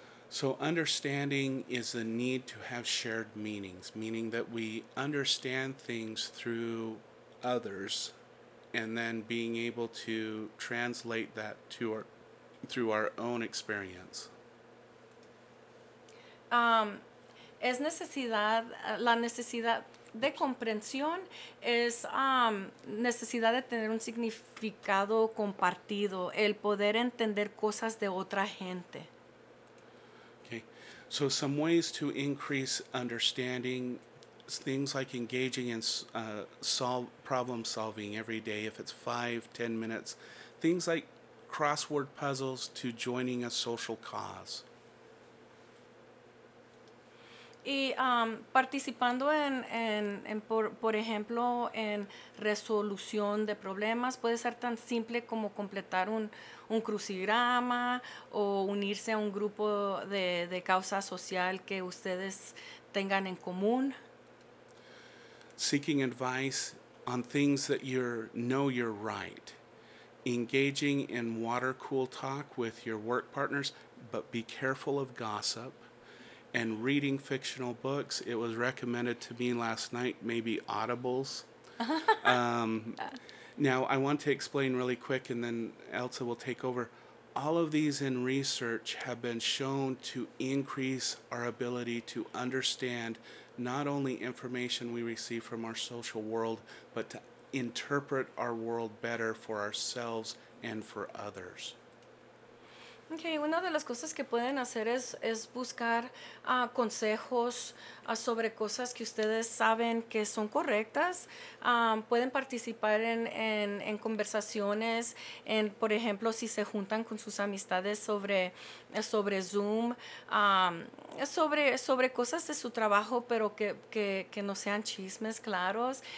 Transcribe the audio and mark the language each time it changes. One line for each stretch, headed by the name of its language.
English: So understanding is the need to have shared meanings, meaning that we understand things through others, and then being able to translate that through our own experience.
Spanish: Es necesidad, la necesidad de comprensión es necesidad de tener un significado compartido, el poder entender cosas de otra gente.
English: Okay, so some ways to increase understanding. Things like engaging in problem solving every day, if it's 5-10 minutes. Things like crossword puzzles to joining a social cause.
Spanish: Y participando en por ejemplo, en resolución de problemas, puede ser tan simple como completar un crucigrama o unirse a un grupo de causa social que ustedes tengan en común.
English: Seeking advice on things that you know you're right. Engaging in water cool talk with your work partners, but be careful of gossip. And reading fictional books. It was recommended to me last night, maybe Audibles. Now, I want to explain really quick, and then Elsa will take over. All of these in research have been shown to increase our ability to understand not only information we receive from our social world, but to interpret our world better for ourselves and for others.
Spanish: Okay, una de las cosas que pueden hacer es buscar consejos sobre cosas que ustedes saben que son correctas. Pueden participar en conversaciones, en, por ejemplo, si se juntan con sus amistades sobre Zoom, sobre cosas de su trabajo, pero que no sean chismes claros.